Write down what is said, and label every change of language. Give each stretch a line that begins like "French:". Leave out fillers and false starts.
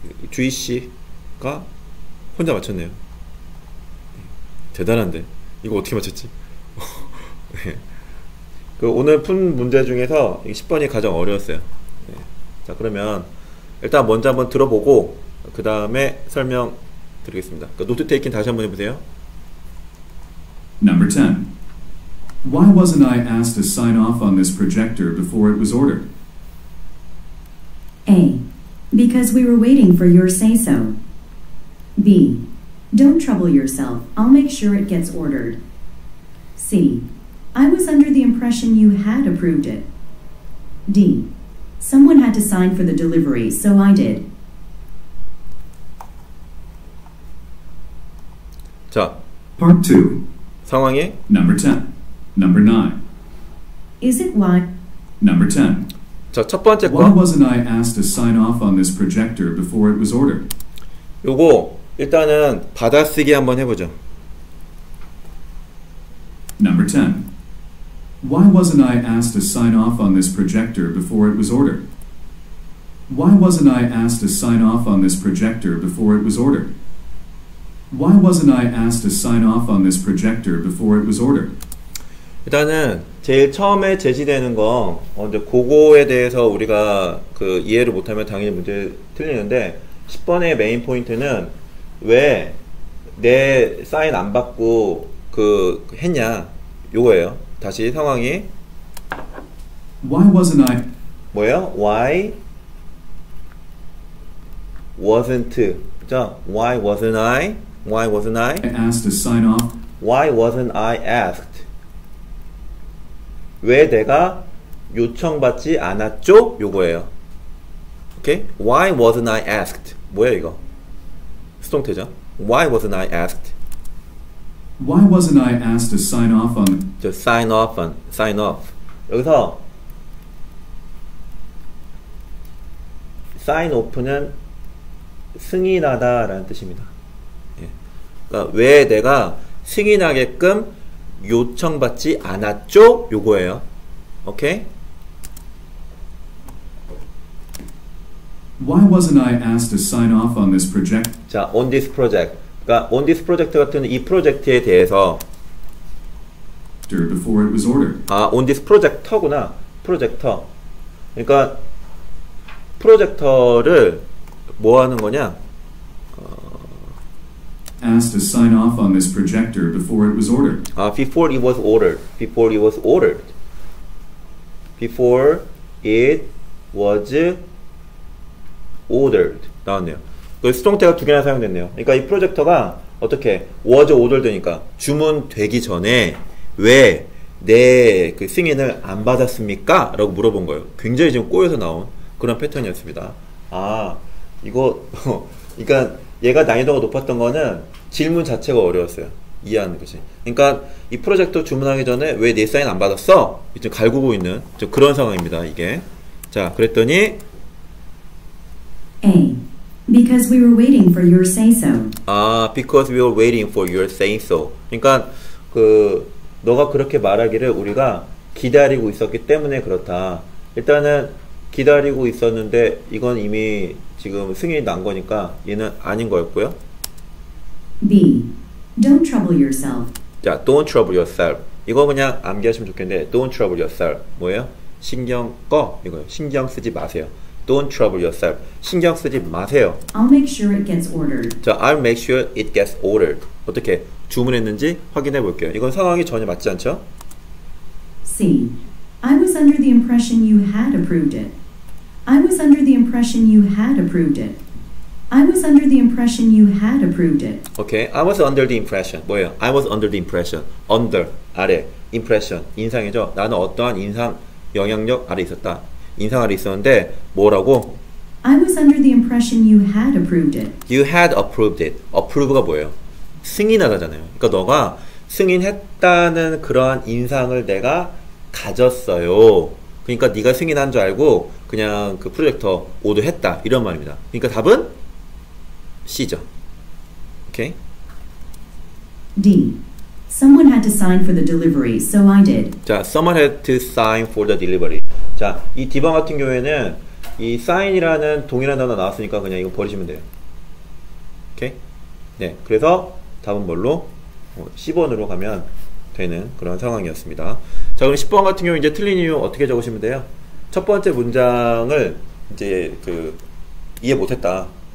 Korean: 주희 씨가 혼자 맞췄네요. 대단한데. 이거 어떻게 맞췄지? 네. 그 오늘 푼 문제 중에서 10번이 가장 어려웠어요. 네. 자, 그러면 일단 먼저 한번 들어보고 그 다음에 설명 드리겠습니다. 그 노트 테이킹 다시 한번 해보세요.
English: Number 10. Why wasn't I asked to sign off on this projector before it was ordered? A. Because we were waiting for your say-so. B. Don't trouble yourself. I'll make sure it gets ordered. C. I was under the impression you had approved it. D. Someone had to sign for the delivery, so I did.
Korean: 자,
English: Part 2.
Korean: 상황에
English: Number 10. Number 9. Is it why? Number 10.
Korean: 자, 첫 번째 거.
English: Why wasn't I asked to sign off on this projector before it was ordered?
Korean: 요거 일단은 받아쓰기 한번 해보죠.
English: Number 10. Why wasn't I asked to sign off on this projector before it was ordered? Why wasn't I asked to sign off on this projector before it was ordered? Why wasn't I asked to sign off on this projector before it was ordered?
Korean: 일단은 제일 처음에 제시되는 거 이제 그거에 대해서 우리가 그 이해를 못하면 당연히 문제 틀리는데 10번의 메인 포인트는 왜 내 사인 안 받고 그 했냐 요거예요. 다시 상황이
English: Why wasn't I
Korean: 뭐예요?
English: Why wasn't
Korean: 그죠?
English: Why wasn't I? Why wasn't I asked to sign off? Why wasn't I asked?
Korean: 왜 내가 요청받지 않았죠? 요거예요. 오케이?
English: Why wasn't I asked?
Korean: 뭐야 이거? 수동태죠.
English: Why wasn't I asked? Why wasn't I asked to sign off on? 저 sign off on, sign off.
Korean: 여기서 sign off는 승인하다라는 뜻입니다. 예. 그러니까 왜 내가 승인하게끔 요청받지 않았죠? 요거예요. 오케이?
English: Why wasn't I asked to sign off on this project? 자, on this project.
Korean: 그러니까 on this project 같은 이 프로젝트에 대해서
English: before it was ordered. 아, on this projector구나.
Korean: 프로젝터. 그러니까 프로젝터를 뭐 하는 거냐?
English: Asked to sign off on this projector before it was ordered. 아, before it was ordered. Before it was ordered. Before it was ordered
Korean: 나왔네요. 그 수동태가 두 개나 사용됐네요. 그러니까 이 프로젝터가 어떻게
English: was ordered
Korean: 니까 주문되기 전에 왜 내 그 승인을 안 받았습니까? 라고 물어본 거예요. 굉장히 지금 꼬여서 나온 그런 패턴이었습니다. 아 이거 그러니까 얘가 난이도가 높았던 거는 질문 자체가 어려웠어요. 이해하는 것이. 그러니까 이 프로젝터 주문하기 전에 왜 내 사인 안 받았어? 이제 갈구고 있는 좀 그런 상황입니다. 이게 자 그랬더니
English: A. Because we were waiting for your say-so. 아, because we were waiting for your say-so.
Korean: 그러니까 그 너가 그렇게 말하기를 우리가 기다리고 있었기 때문에 그렇다. 일단은 기다리고 있었는데 이건 이미 지금 승인이 난 거니까 얘는 아닌 거였고요.
English: B. Don't trouble yourself. 자, don't trouble yourself.
Korean: 이거 그냥 암기하시면 좋겠는데
English: don't trouble yourself.
Korean: 뭐예요? 신경 꺼. 이거요. 신경 쓰지 마세요.
English: Don't trouble yourself.
Korean: 신경 쓰지 마세요.
English: I'll make sure it gets ordered. 자, I'll make sure it gets ordered.
Korean: 어떻게 주문했는지 확인해 볼게요. 이건 상황이 전혀 맞지 않죠?
English: C. I was under the impression you had approved it. I was under the impression you had approved it. I was under the impression you had approved it. Okay. I was under the impression.
Korean: 뭐예요?
English: I was under the impression.
Korean: Under 아래 impression 인상이죠. 나는 어떠한 인상 영향력 아래 있었다. 인상 아래 있었는데 뭐라고?
English: I was under the impression you had approved it. You had approved it.
Korean: Approve가 뭐예요? 승인하다잖아요. 그러니까 너가 승인했다는 그러한 인상을 내가 가졌어요. 그러니까 네가 승인한 줄 알고 그냥 그 프로젝터 오도했다 이런 말입니다. 그러니까 답은 C죠. 오케이.
English: D. Someone had to sign for the delivery, so I did. 자, someone had to sign for the delivery.
Korean: 자, 이 D번 같은 경우에는 이 sign이라는 동일한 단어 나왔으니까 그냥 이거 버리시면 돼요. 오케이. 네, 그래서 답은 뭘로? 10번으로 가면 되는 그런 상황이었습니다. 자, 그럼 10번 같은 경우 이제 틀린 이유 어떻게 적으시면 돼요? 첫 번째 문장을 이제 그 이해 못했다.